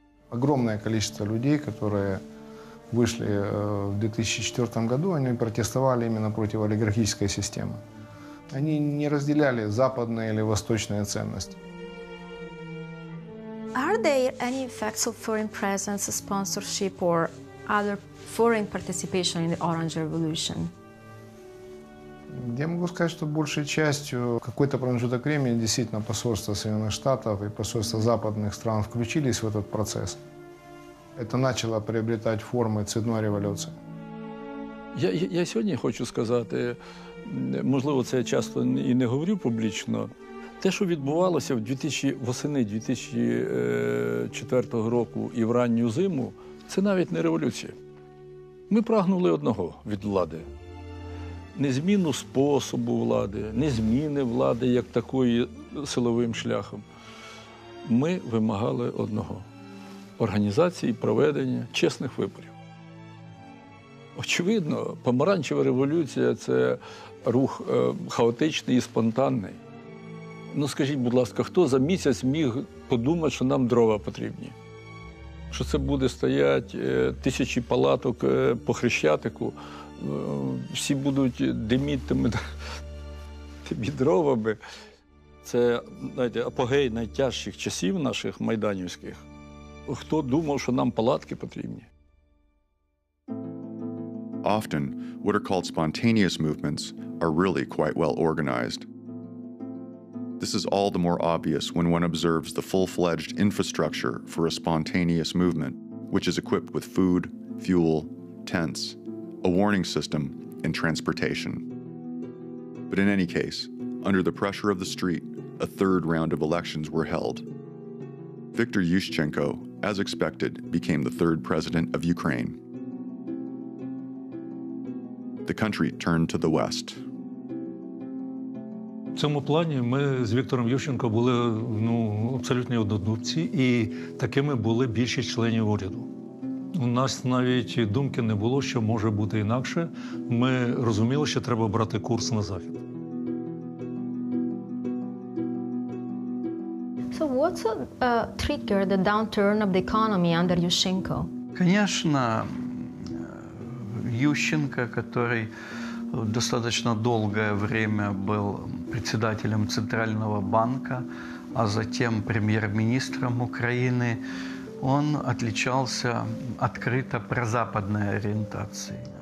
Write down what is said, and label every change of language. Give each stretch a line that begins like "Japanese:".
Russian: Огромное количество людей, которые вышли в 2004 году, они протестовали именно против олигархической системы. Они не разделяли западные или восточные ценности.
English: Are there any effects of foreign presence, sponsorship or other foreign participation in the Orange Revolution?
Russian: Я могу сказать, что большей частью какой-то промежуток времени действительно посольство Соединенных Штатов и посольство западных стран включились в этот процесс. Это начало приобретать формы цветной революции.
Ukrainian: Я сьогодні хочу сказати, можливо, це я часто і не говорю публічно, те, що відбувалося восени 2004 року і в ранню зиму, це навіть не революція. Ми прагнули одного від влади. Не зміну способу влади, не зміни влади як такої силовим шляхом. Ми вимагали одного – організації проведення чесних виборів. Очевидно, помаранчева революція – це рух хаотичний і спонтанний. Ну, скажіть, будь ласка, хто за місяць міг подумати, що нам дрова потрібні? Що це буде стояти тисячі палаток по Хрещатику, всі будуть димітими тими дровами? Це, знаєте, апогей найтяжчих часів наших майданівських. Хто думав, що нам палатки потрібні?
English: Often, what are called spontaneous movements are really quite well organized. This is all the more obvious when one observes the full-fledged infrastructure for a spontaneous movement, which is equipped with food, fuel, tents, a warning system, and transportation. But in any case, under the pressure of the street, a third round of elections were held. Viktor Yushchenko, as expected, became the third president of Ukraine. The country turned to the West.
Ukrainian: В цьому плані ми з Віктором Ющенко були абсолютні однодумці, і такими були більшість членів уряду. У нас навіть думки не було, що може бути інакше. Ми розуміли, що треба брати курс на Захід.
English: So what's trigger the downturn of the economy under Yushchenko?
Russian: Конечно, Ющенко, который достаточно долгое время был председателем Центрального банка, а затем премьер-министром Украины, он отличался открыто прозападной ориентацией.